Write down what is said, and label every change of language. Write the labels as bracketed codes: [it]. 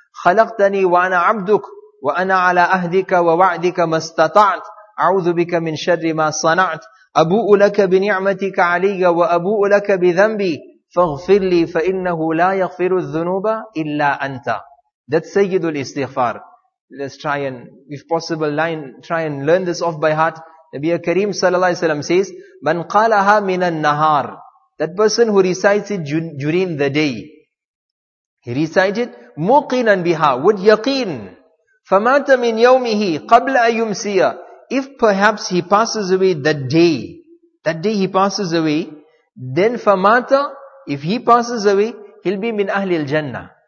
[ar] خلقتني وأنا عبدك وأنا على أهدك ووعدك ما استطعت أعوذ بك من شر ما صنعت أبوء لك بنعمتك علي وأبوء لك بذنبي فاغفر لي فإنه لا يغفر الذنوب إلا أنت. [en] That's [ar] سيد الاستغفار. [en] Let's try and if possible try and learn this off by heart. [ar] نبي كريم صلى الله عليه وسلم [en] says [ar] من قالها من النهار. [en] That person who recites it during the day, he recited muqinan biha, with yaqeen. [ar] فَمَاتَ مِنْ يَوْمِهِ قَبْلَ أَيُمْسِيَ. [en] If perhaps he passes away that day he passes away, then [ar] فَمَاتَ, [en] if he passes away, he'll be min [ar] أَهْلِ الْجَنَّةِ.